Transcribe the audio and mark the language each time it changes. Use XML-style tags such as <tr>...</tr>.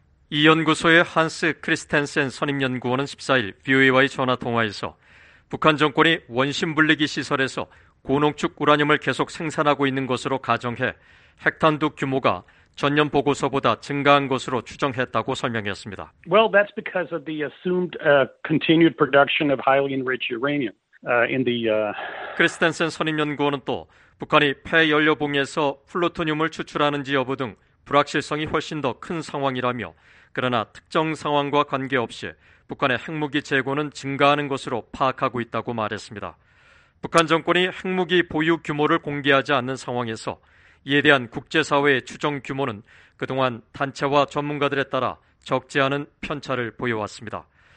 <ko>이 연구소의 한스 크리스텐센 선임연구원은 14일 VOA와의 전화통화에서 북한 정권이 원심분리기 시설에서 고농축 우라늄을 계속 생산하고 있는 것으로 가정해 핵탄두 규모가 전년 보고서보다 증가한 것으로 추정했다고 설명했습니다.</ko> <en>Well, that's because of the assumed continued production of highly enriched uranium in the</en> <ko>크리스텐센 선임연구원은 또 북한이 폐연료봉에서 플루토늄을 추출하는지 여부 등 불확실성이 훨씬 더 큰 상황이라며 그러나 특정 상황과 관계없이 북한의 핵무기 재고는 증가하는 것으로 파악하고 있다고 말했습니다. 북한 정권이 핵무기 보유 규모를 공개하지 않는 상황에서 이에 대한 국제사회의 추정 규모는 그동안 단체와 전문가들에 따라 적지 않은 편차를 보여왔습니다.</ko>